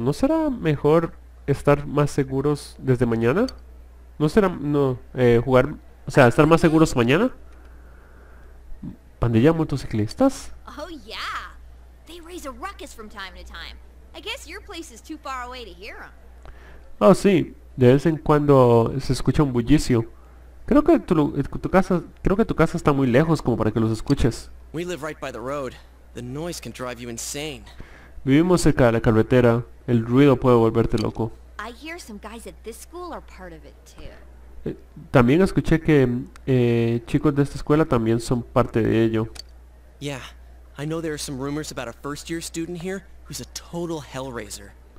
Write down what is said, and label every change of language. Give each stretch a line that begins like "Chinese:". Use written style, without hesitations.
Spanish: ¿No será mejor estar más seguros desde mañana? ¿No será jugar, o sea, estar más seguros mañana? ¿Pandilla motociclistas?
English: Oh yeah. They raise a ruckus from time to time. I guess your place is too far away to hear them.
Spanish: Oh, sí. De vez en cuando se escucha un bullicio. Creo que tu casa está muy lejos como para que los escuches.
English: We live right by the road. The noise can drive you insane.
Spanish: Vivimos cerca de la carretera. El ruido puede volverte loco.
English: I hear some guys at this school are part of it too.
Spanish: También escuché que chicos de esta escuela también son parte de ello.
English: Yeah, I know there are some rumors about a first year student here who's a total hellraiser.